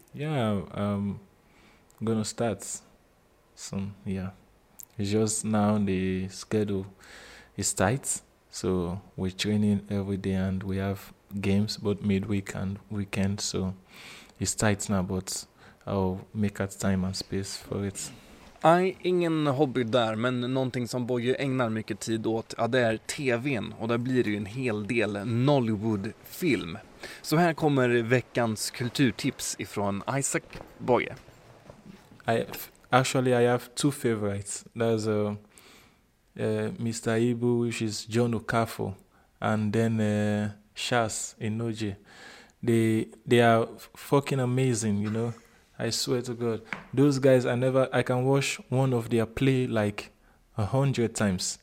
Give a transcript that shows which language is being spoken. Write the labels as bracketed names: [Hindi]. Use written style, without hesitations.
[English] Yeah, I'm going to start soon, yeah. It's just now the schedule is tight. So we're training every day and we have games both midweek and weekend. So it's tight now, but I'll make out time and space for it. [Swedish] Nej, ingen hobby där, men någonting som Boje ägnar mycket tid åt, ja, det är tvn. Och där blir det ju en hel del Nollywood-film. Så här kommer veckans kulturtips ifrån Isaac Boje. [English] I have two favorites. There's Mr. Ibu, which is John Okafor, and then Shaz Inoje. They are fucking amazing, you know. I swear to God, those guys, I can watch one of their play like 100 times.